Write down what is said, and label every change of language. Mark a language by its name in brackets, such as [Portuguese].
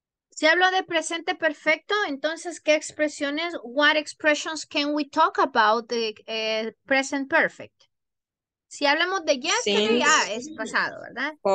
[Spanish] Si hablo de presente perfecto, entonces, ¿qué expresiones? [English] What expressions can we talk about the present perfect? [Spanish] Si hablamos de yesterday, ya es pasado, ¿verdad?